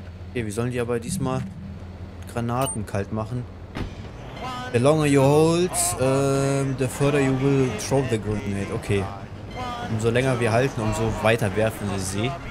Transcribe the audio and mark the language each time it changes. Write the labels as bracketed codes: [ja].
[de] Okay, wir sollen die aber diesmal Granaten kalt machen. [en] The longer you hold, the further you will throw the grenade. Okay. [de] Umso länger wir halten, umso weiter werfen wir sie.